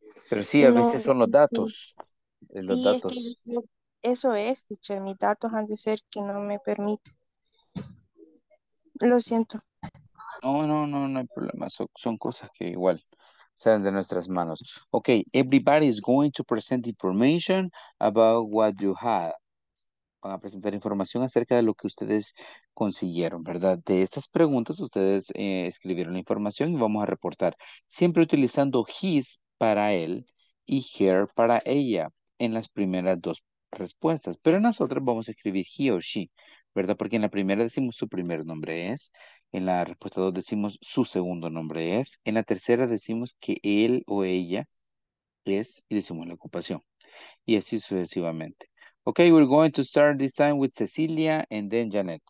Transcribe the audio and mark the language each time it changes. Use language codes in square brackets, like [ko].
[es] Pero sí, a no, veces son los datos. Sí, los sí datos. Es que yo, eso es, teacher. Mis datos han de ser que no me permiten. Lo siento. No hay problema. Son cosas que igual salen de nuestras manos. [en] Okay, everybody is going to present information about what you have. [es] Van a presentar información acerca de lo que ustedes consiguieron, ¿verdad? De estas preguntas, ustedes escribieron la información y vamos a reportar. Siempre utilizando his para él y her para ella en las primeras dos respuestas. Pero en las otras vamos a escribir he o she, ¿verdad? Porque en la primera decimos su primer nombre es. En la respuesta dos decimos su segundo nombre es. En la tercera decimos que él o ella es y decimos la ocupación. Y así sucesivamente. [en] Okay, we're going to start this time with Cecilia and then Janet.